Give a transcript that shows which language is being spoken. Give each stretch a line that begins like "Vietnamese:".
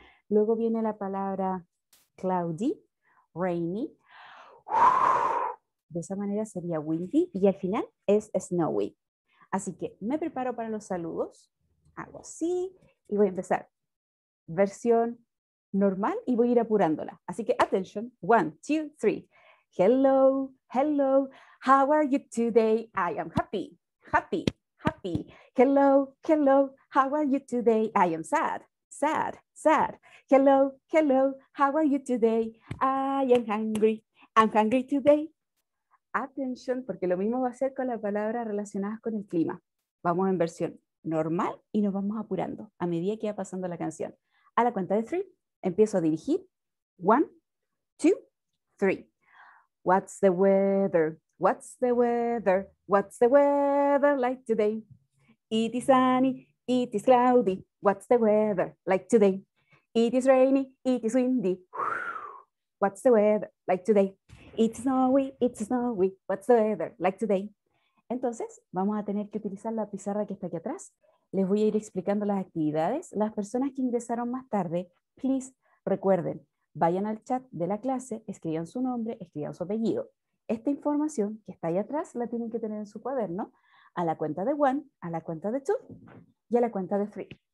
Spanish: Luego viene la palabra cloudy, rainy. De esa manera sería windy y al final es snowy. Así que me preparo para los saludos. Hago así. Y voy a empezar versión normal y voy a ir apurándola. Así que atención, 1, 2, 3.
English: Hello, hello, how are you today? I am happy, happy, happy. Hello, hello, how are you today? I am sad, sad, sad. Hello, hello, how are you today? I am hungry, I'm hungry today.
Spanish: Atención, porque lo mismo va a ser con las palabras relacionadas con el clima. Vamos en versión normal y nos vamos apurando a medida que va pasando la canción. A la cuenta de 3, empiezo a dirigir.
English: 1, 2, 3. What's the weather? What's the weather? What's the weather like today? It is sunny, it is cloudy. What's the weather like today? It is rainy, it is windy. What's the weather like today? It's snowy, what's the weather like today?
Spanish: Entonces, vamos a tener que utilizar la pizarra que está aquí atrás. Les voy a ir explicando las actividades. Las personas que ingresaron más tarde, please recuerden, vayan al chat de la clase, escriban su nombre, escriban su apellido. Esta información que está ahí atrás la tienen que tener en su cuaderno, a la cuenta de 1, a la cuenta de 2 y a la cuenta de 3.